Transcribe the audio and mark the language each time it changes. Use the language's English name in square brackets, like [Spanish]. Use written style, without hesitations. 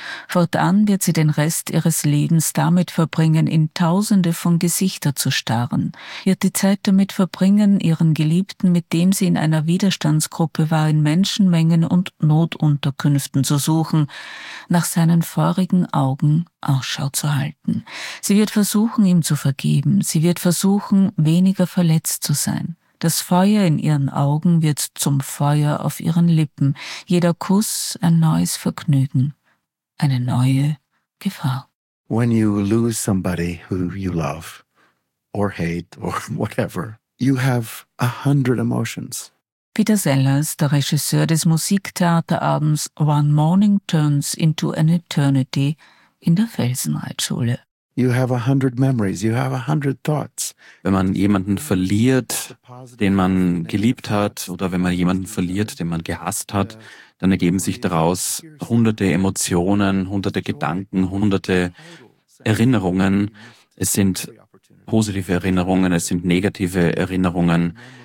[German] Fortan wird sie den Rest ihres Lebens damit verbringen, in Tausende von Gesichter zu starren, wird die Zeit damit verbringen, ihren Geliebten, mit dem sie in einer Widerstandsgruppe war, in Menschenmengen und Notunterkünften zu suchen, nach seinen feurigen Augen Ausschau zu halten. Sie wird versuchen, ihm zu vergeben, sie wird versuchen, weniger verletzt zu sein. Das Feuer in ihren Augen wird zum Feuer auf ihren Lippen, jeder Kuss ein neues Vergnügen. Eine neue Gefahr. [English] When you lose somebody who you love or hate or whatever, you have 100 emotions. [German] Peter Sellers, der Regisseur des Musiktheaterabends One Morning Turns into an Eternity in der Felsenreitschule. [English] You have 100 memories, you have 100 thoughts. [German] Wenn man jemanden verliert, den man geliebt hat, oder wenn man jemanden verliert, den man gehasst hat, dann ergeben sich daraus hunderte Emotionen, hunderte Gedanken, hunderte Erinnerungen. Es sind positive Erinnerungen, es sind negative Erinnerungen.